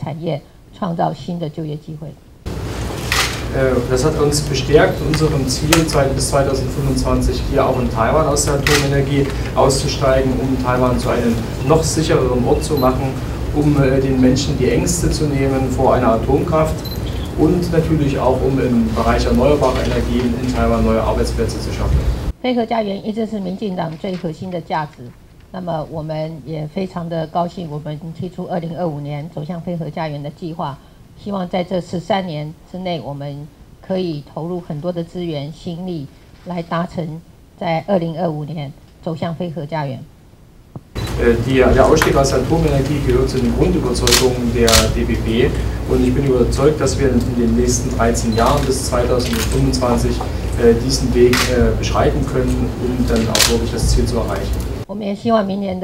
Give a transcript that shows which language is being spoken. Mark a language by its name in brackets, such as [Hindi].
[Chinese] 那么我们也希望一方面我们在2025年走向非核家园的计划，可以让台湾变成是一个更安全的地方，不要受到核安的这种忧虑的这种干扰。那么同时呢，我们也可以在替代能源上面创造新的产业，创造新的就业机会。 [German] Das hat uns bestärkt, unserem Ziel, bis 2025 hier auch in Taiwan aus der Atomenergie auszusteigen, um Taiwan zu einem noch sichereren Ort zu machen, um den Menschen die Ängste zu nehmen vor einer Atomkraft und natürlich auch, um im Bereich erneuerbarer Energien in Taiwan neue Arbeitsplätze zu schaffen. [Chinese] 非核家园一直是民进党最核心的价值，那么我们也非常的高兴，我们提出2025年走向非核家园的计划。希望在这13年之内，我们可以投入很多的资源、心力，来达成在2025年走向非核家园。 [German] Der Ausstieg aus der Atomenergie gehört zu den Grundüberzeugungen der DBB und ich bin überzeugt, dass wir in den nächsten 13 Jahren bis 2025 diesen Weg beschreiten können, um dann auch wirklich das Ziel zu erreichen.